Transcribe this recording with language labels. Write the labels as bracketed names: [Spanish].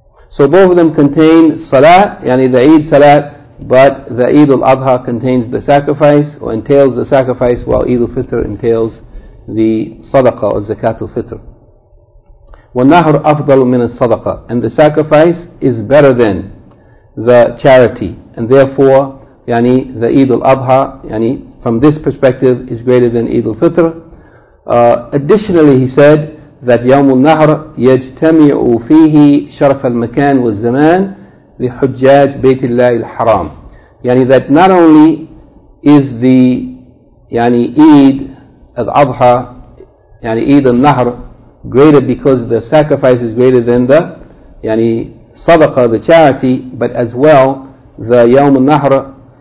[English] So both of them contain salat, yani the Eid salat, but the Eid al-Adha contains the sacrifice, or entails the sacrifice, while Eid al-Fitr entails the sadaqah or zakat al-Fitr. [Arabic] وَالنَّهْرُ أَفْضَلُ مِنَ الصَّدَقَةِ, [English] and the sacrifice is better than the charity. And therefore, yani the Eid al-Adha, yani from this perspective, is greater than Eid al-Fitr. Additionally, he said that [Arabic] يَوْمُ النَّهْرِ يَجْتَمِعُ فِيهِ شَرْفَ الْمَكَانِ وَالزَّمَانِ لِحُجَّاجِ بَيْتِ اللَّهِ الْحَرَامِ. [English] Yani that not only is the yani Eid al-Adha, yani Eid al-Nahr, greater because the sacrifice is greater than the yani sadaqah, the charity, but as well the Yawm al-Nahr